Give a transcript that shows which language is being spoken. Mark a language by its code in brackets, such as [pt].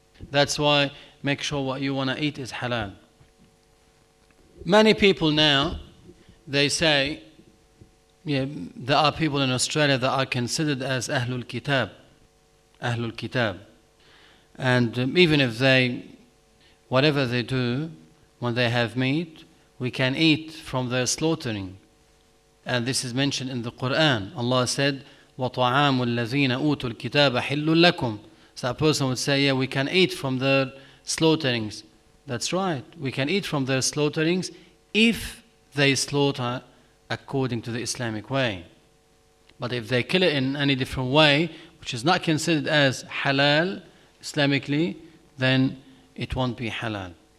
[en] That's why make sure what you want to eat is halal. Many people now, they say, there are people in Australia that are considered as Ahlul Kitab. Ahlul Kitab. And even if they, whatever they do, when they have meat, we can eat from their slaughtering. And this is mentioned in the Quran. Allah said, [ar] وَطَعَامُ الَّذِينَ أُوتُوا الْكِتَابَ حِلُّ لَكُمْ. [en] So a person would say, we can eat from their slaughterings. That's right. We can eat from their slaughterings if they slaughter according to the Islamic way. But if they kill it in any different way, which is not considered as halal Islamically, then it won't be halal.